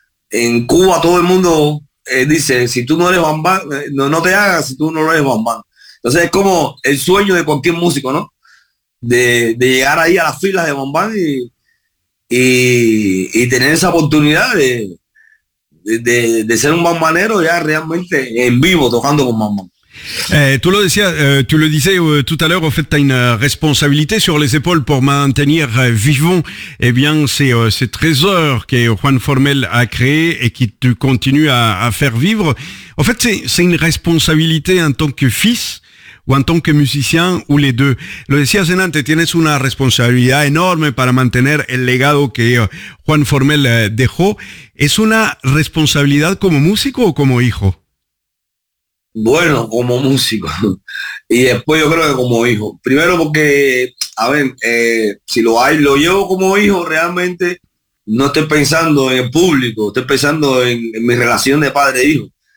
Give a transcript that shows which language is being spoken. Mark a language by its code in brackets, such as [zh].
[es] En Cuba todo el mundo dice, si tú no eres bambán, no te hagas si tú no eres bambán. Entonces es como el sueño de cualquier músico, ¿no? De llegar ahí a las filas de bambán y tener esa oportunidad de ser un bambanero ya realmente en vivo, tocando con bambán. [fr] Tu le disais tout à l'heure, en fait, tu as une responsabilité sur les épaules pour maintenir vivant, eh bien, ces trésors que Juan Formel a créé et qui tu continues à faire vivre. En fait, c'est une responsabilité en tant que fils ou en tant que musicien ou les deux. [es] Lo decía Zenante, tienes una responsabilidad enorme para mantener el legado que Juan Formel dejó. ¿Es una responsabilidad como músico o como hijo? Bueno, como músico, y después yo creo que como hijo. Primero porque, a ver, si lo llevo como hijo, realmente no estoy pensando en el público, estoy pensando en mi relación de padre-hijo.